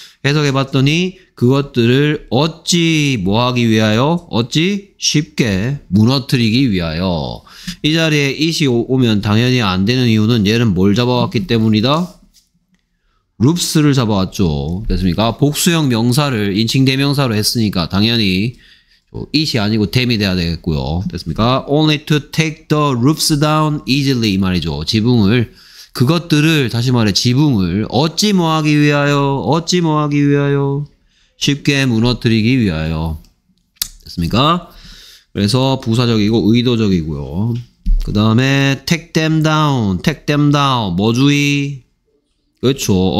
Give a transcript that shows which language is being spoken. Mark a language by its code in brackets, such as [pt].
[ko] 해석해봤더니 그것들을 어찌 뭐하기 위하여 어찌 쉽게 무너뜨리기 위하여. 이 자리에 it이 오면 당연히 안 되는 이유는 얘는 뭘 잡아왔기 때문이다? loops를 잡아왔죠. 됐습니까? 복수형 명사를 인칭 대명사로 했으니까 당연히 it이 아니고 them이 돼야 되겠고요. 됐습니까? [en] only to take the loops down easily 말이죠. [ko] 지붕을 그것들을 다시 말해 지붕을 어찌 뭐하기 위하여 어찌 뭐하기 위하여 쉽게 무너뜨리기 위하여. 됐습니까? 그래서 부사적이고 의도적이고요. 그 다음에 [en] take them down, take them down. [ko] 뭐 주의? 그렇죠.